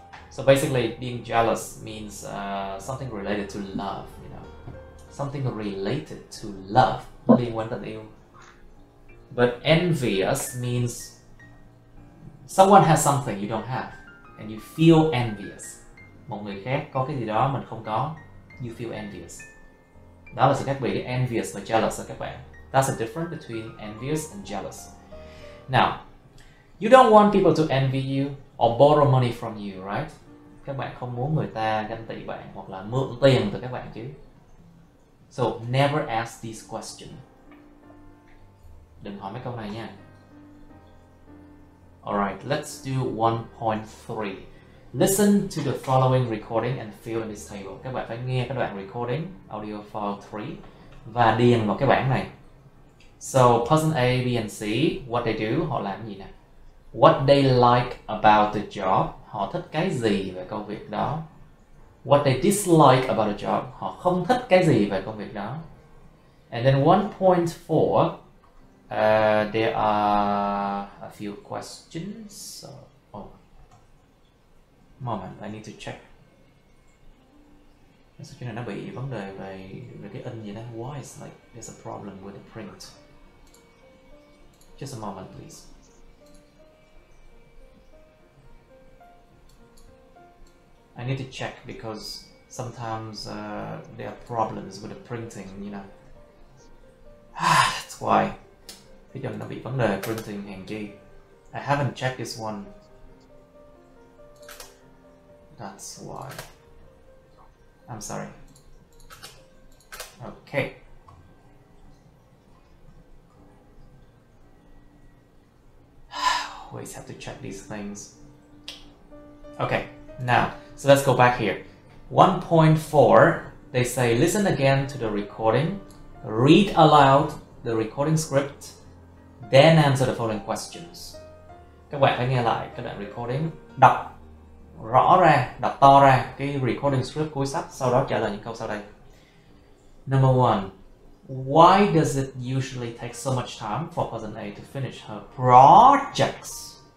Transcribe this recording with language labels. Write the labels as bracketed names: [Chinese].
[English] So basically, being jealous means something related to love, you know. Something related to love, [Vietnamese] liên quan tình yêu. [English] But envious means someone has something you don't have and you feel envious. [Vietnamese] Một người khác có cái gì đó mình không có, [English] you feel envious. [Vietnamese] Đó là sự khác biệt envious và jealous các bạn. [English] That's the difference between envious and jealous. Now, you don't want people to envy you or borrow money from you, right? [Vietnamese] Các bạn không muốn người ta ganh tị bạn hoặc là mượn tiền từ các bạn chứ. [English] So, never ask this question. [Vietnamese] Đừng hỏi mấy câu này nha. [English] Alright, let's do 1.3. Listen to the following recording and fill in this table. [Vietnamese] Các bạn phải nghe cái đoạn recording, audio file 3, và điền vào cái bảng này. [English] So, person A, B, and C, what they do, [Vietnamese] họ làm gì nè? [English] What they like about the job, [Vietnamese] họ thích cái gì về công việc đó? [English] What they dislike about the job, [Vietnamese] họ không thích cái gì về công việc đó? [English] And then 1.4, there are a few questions. Moment, I need to check. [Vietnamese] Sao chuyện này nó bị vấn đề về cái in gì đó? [English] Why is like there's a problem with the print? Just a moment, please. I need to check because sometimes there are problems with the printing, you know. That's why. [Vietnamese] Bây giờ nó bị vấn đề printing hàng chi. [English] I haven't checked this one. That's why. I'm sorry. Okay. Always have to check these things. Okay, now, so let's go back here. 1.4, they say listen again to the recording, read aloud the recording script, then answer the following questions. [Vietnamese] Các bạn phải nghe lại cái đoạn recording, đọc rõ ra, đọc to ra cái recording script cuối sách, sau đó trả lời những câu sau đây. [English] Number 1. Why does it usually take so much time for person A to finish her projects?